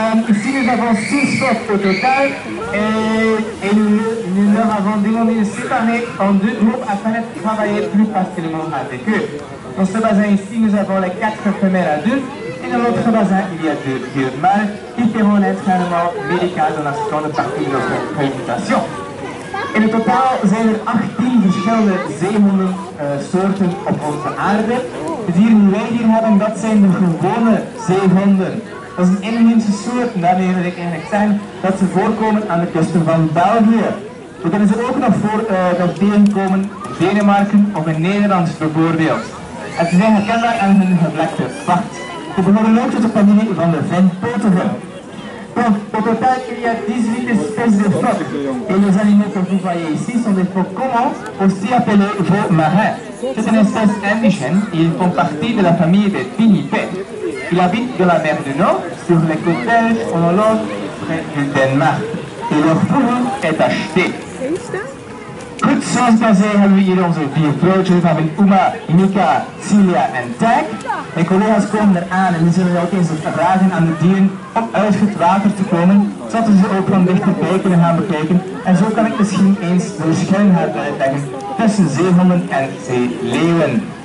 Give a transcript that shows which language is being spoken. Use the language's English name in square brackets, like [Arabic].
[French] Ici nous avons 6 sortes au total et nous leur avons demandé de séparer en 2 groupes afin de travailler plus facilement avec eux. Dans ce bassin ici, nous avons les 4 femelles adultes et dans l'autre bassin, il y a 2 vieux mâles qui feront l'entraînement médical dans la seconde partie de notre présentation. [Dutch] In het totaal zijn er 18 verschillende zeehonden soorten op onze aarde. De dieren die wij hier hebben, dat zijn de gewone zeehonden. Dat is een inheemse soort en daarmee wil ik eigenlijk zeggen dat ze voorkomen aan de kusten van België. We kunnen ze ook nog voor dat tegenkomen in Denemarken of in Nederland bijvoorbeeld. En ze zijn herkenbaar aan hun geblekte vacht. We behoren ook tot de familie van de ventpotigen. [French] Au total, il y a 18 espèces de phoques et les animaux que vous voyez ici sont des phoques communs, aussi appelés veaux marins. C'est une espèce indigène et ils font partie de la famille des pinnipèdes. Ils habitent de la mer du Nord, sur les côtes en Hollande, près du Danemark. Et leur fourrure est achetée. [Dutch] Goed, zoals ik al zei, hebben we hier onze 4 vrouwtjes van Uma, Mika, Cilia en Tag. Mijn collega's komen eraan en die zullen ook eens vragen aan de dieren om uit het water te komen, zodat we ze ook van dichterbij kunnen gaan bekijken. En zo kan ik misschien eens de verschillen uitleggen tussen zeehonden en zeeleeuwen.